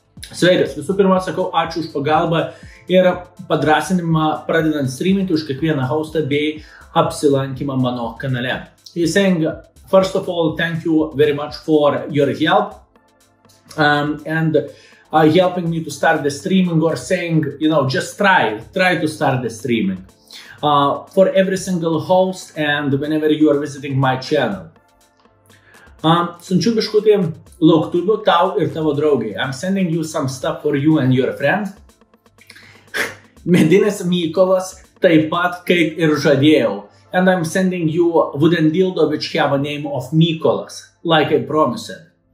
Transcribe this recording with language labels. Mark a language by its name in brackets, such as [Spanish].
[Lithuanian] Sveikas, visų pirma, sakau, ačiū už pagalbą ir padrasinimą pradedant streaminti už kiekvieną hostą bei apsilankymą mano kanale. [English] He's saying, first of all, thank you very much for your help. Helping me to start the streaming or saying, you know, just try to start the streaming. For every single host and whenever you are visiting my channel. [Lithuanian] Siunčiu biškutį lauktuviu tau ir tavo draugiai. [English] I'm sending you some stuff for you and your friend. [Lithuanian] Medinis Mykolas taip pat kaip ir žadėjau. [English] And I'm sending you wooden dildo which have a name of Mykolas, like I promised.